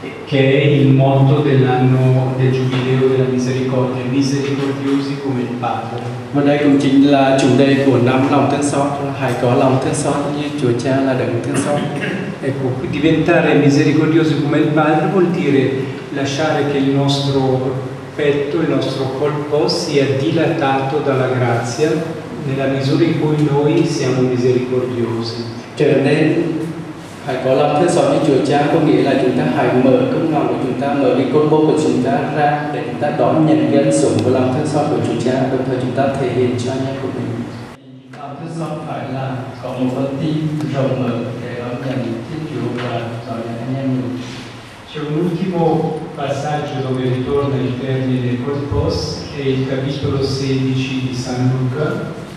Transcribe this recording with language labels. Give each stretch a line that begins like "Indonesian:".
Italian: Che è il motto dell'anno del Giubileo della Misericordia, misericordiosi come il Padre.
Vietnamese: Và đây cũng chính là chủ đề của năm lòng thương xót, hãy có lòng thương xót như Chúa Cha là đấng thương xót.
Italian: Ecco, diventare misericordiosi come il Padre vuol dire lasciare che il nostro petto, il nostro colpo sia dilatato dalla grazia nella misura in cui noi siamo misericordiosi.
Vietnamese: Cioè, nên phải có lòng thương xót như Chúa Cha có nghĩa là chúng ta hãy mở cung lòng của chúng ta, mở cái colpo của chúng ta ra để chúng ta đón nhận cái ân sủng của lòng thương xót của Chúa Cha, đồng thời chúng ta thể hiện cho anh em của mình. không phải là có một con tim rộng mở để đón nhận Thiên Chúa và đón nhận anh em mình.
Italian: C'è un ultimo passaggio dove ritorna il termine corpos, è il capitolo 16 di San Luca.